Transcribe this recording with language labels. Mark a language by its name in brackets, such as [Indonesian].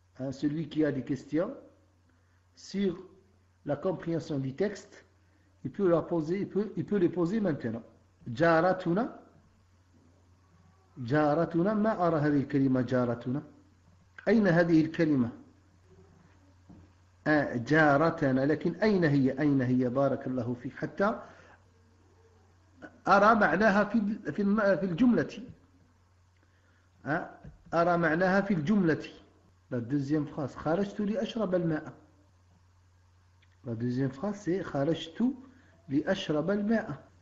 [French] celui qui a des questions sur la compréhension du texte, il peut les poser maintenant. [Arabic] جارتنا جارتنا، ما أرى هذه الكلمة جارتنا، أين هذه الكلمة؟ جارتنا، لكن أين هي؟ أين هي؟ بارك الله فيك، حتى أرى معناها في الجملة، أرى معناها في الجملة. [French] La deuxième phrase, [Arabic] خرجت لأشرب الماء. [French] La deuxième phrase, c'est [Arabic] خرجت لأشرب الماء.